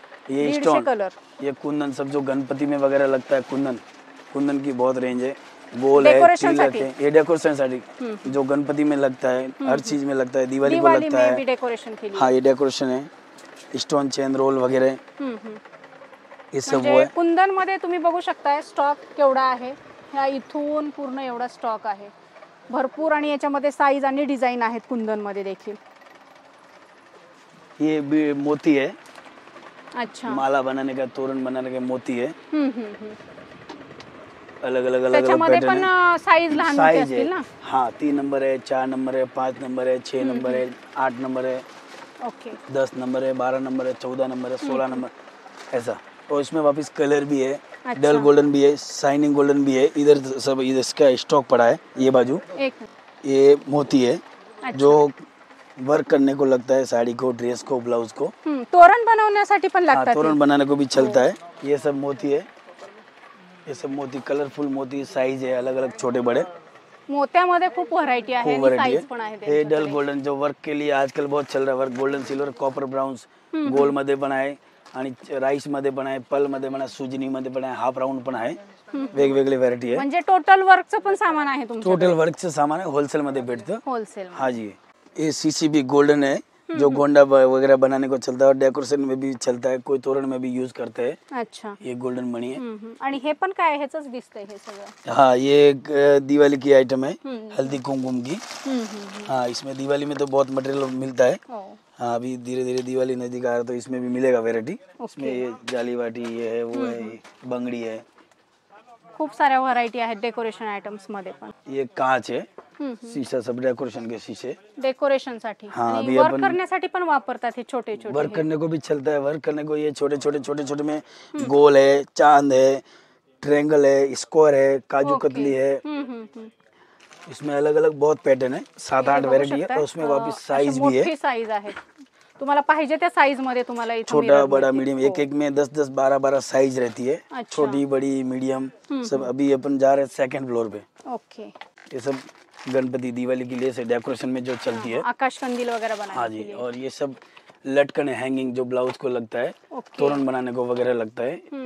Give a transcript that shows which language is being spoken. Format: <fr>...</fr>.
<hi>ये स्टोन, ये कुंदन सब जो गणपति में वगैरह लगता है, कुंदन की बहुत रेंज है, गोल है, ये डेकोरेशन साड़ी जो गणपति में लगता है, हर चीज में लगता है, दिवाली को लगता है, डेकोरेशन के लिए। हाँ, ये डेकोरेशन है, स्टोन चेन रोल वगैरह ये सब वो है।</hi> <mr>कुंदन मध्ये तुम्ही बघू शकता है स्टॉक केवड़ा आहे, या इथून पूर्ण एवढा स्टॉक आहे, भरपूर, आणि याच्यामध्ये साइज आणि डिझाईन आहेत कुंदन मध्ये देखील।</mr> <hi>ये मोती है। अच्छा। माला बनाने का, तोरण बनाने का मोती है। अलग अलग अलग पैटर्न है,</hi> <mr>साइज लहान मोठे असतील ना?</mr> <hi>हाँ, 3 नंबर है, 4 नंबर है, 5 नंबर है, 6 नंबर है, 8 नंबर है, 10 नंबर है, 12 नंबर है, 14 नंबर है, 16 नंबर ऐसा। और इसमें वापिस कलर भी है, डल गोल्डन भी है, शाइनिंग गोल्डन भी है। इधर सब इसका स्टॉक पड़ा है, ये बाजू एक, ये मोती है। अच्छा। जो वर्क करने को लगता है, साड़ी को, ड्रेस को, ब्लाउज को, तोरण बनाने साथी पन लगता है, तोरण बनाने को भी चलता है। ये सब मोती है, ये सब मोती, कलरफुल मोती, साइज है अलग अलग छोटे बड़े,</hi> <mr>मोत्यामध्ये खूप व्हरायटी आहे।</mr> <hi>डल गोल्डन जो वर्क के लिए आजकल बहुत चल रहा है</hi> <mr>work, golden, silver, copper, browns, gold मध्ये पण आहे, आणि राईस मध्ये पण आहे, पल मध्ये पण आहे, सुजनी मध्ये पण आहे, हाफ राऊंड पण आहे। वेगवेगळी व्हरायटी आहे, म्हणजे टोटल वर्कचं पण सामान आहे तुमचं? टोटल वर्कचं सामान आहे, होलसेल मध्ये भेटतं। होलसेल?</mr> <hi>हा जी। ये सीसीबी गोल्डन है, जो गोंडा वगैरह बनाने को चलता है, डेकोरेशन में भी चलता है, कोई तोरण में भी यूज करते हैं। अच्छा, ये गोल्डन मणि है।</hi> <mr>आणि हे पण काय आहेच दिसते हे सगळं?</mr> <hi>हाँ, ये एक दिवाली की आइटम है, हल्दी कुमकुम की। हाँ, इसमें दिवाली में तो बहुत मटेरियल मिलता है। हाँ, अभी धीरे धीरे दिवाली नजदीक आ रहा है तो इसमें भी मिलेगा वेरायटी। इसमें ये जाली वाटी ये है, वो है, बंगड़ी है,</hi> <mr>खूप साऱ्या व्हरायटी आहेत डेकोरेशन आयटम्स मध्ये पण।</mr> <hi>ये काच आहे, शीशा, सब डेकोरेशन के शीशे,</hi> <mr>डेकोरेशन साठी।</mr> <hi>हाँ,</hi> <mr>अभी वर्क करण्यासाठी पण वापरतात हे छोटे छोटे।</mr> <hi>वर्क करने को भी चलता है, वर्क करने को ये छोटे छोटे छोटे छोटे में गोल है, चांद है, ट्रायंगल है, स्क्वायर है, काजू कतली है। इसमें अलग अलग बहुत पैटर्न है, 7-8 वेरायटी है, और उसमें वापस साइज भी है।</hi> <mr>मोठी साइज आहे, तुम्हाला पाहिजे त्या साइज मध्ये तुम्हाला इथे</mr> <hi>छोटा बड़ा मीडियम एक एक में 10-10, 12-12 साइज रहती है। अच्छा। छोटी बड़ी मीडियम सब। अभी अपन जा रहे हैं सेकंड फ्लोर पे। ओके। ये सब गणपति दिवाली के लिए से डेकोरेशन में जो चलती है, आकाश कंदील वगैरह बनाने के लिए। हाँ जी। और ये सब लटकन हैंगिंग जो ब्लाउज को लगता है, तोरण बनाने को वगैरह लगता है।</hi>